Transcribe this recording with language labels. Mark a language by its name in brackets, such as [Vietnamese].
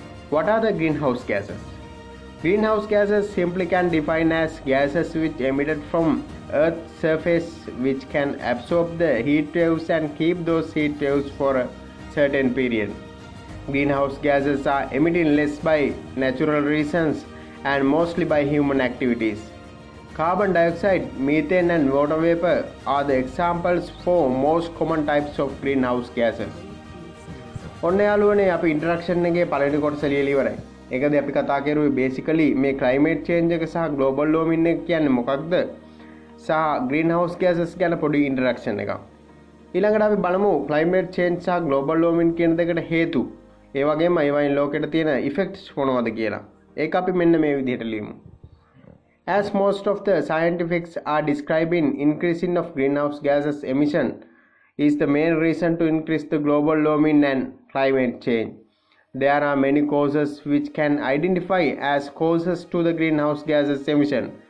[English] What are the greenhouse gases? Greenhouse gases simply can define as gases which emitted from Earth's surface which can absorb the heat waves and keep those heat waves for a certain period. Greenhouse gases are emitted less by natural reasons and mostly by human activities. Carbon dioxide, methane and water vapor are the examples for most common types of greenhouse gases. [Sinhala] ඔන්න යාළුවනේ අපි interaction එකේ පළවෙනි කොටස ලියලා ඉවරයි. ඒකද අපි කතා කරුවේ බේසිකලි මේ ක්ලයිමේට් චේන්ජ් එක සහ ග්ලෝබල් වෝමින් එක කියන්නේ මොකක්ද සහ ග්‍රීන් හවුස් ගෑසස් ගැන පොඩි ඉන්ටරක්ෂන් එකක්. ඊළඟට අපි බලමු ක්ලයිමේට් චේන්ජ් සහ ග්ලෝබල් වෝමින් කියන දෙකට හේතු. ඒ වගේම ඒවායින් ලෝකෙට තියෙන ඉෆෙක්ට්ස් මොනවද කියලා. ඒක අපි මෙන්න මේ විදිහට ලියමු. [English] As most of the scientists are describing increasing of greenhouse gases emission is the main reason to increase the global warming and climate change. There are many causes which can identify as causes to the greenhouse gases emission.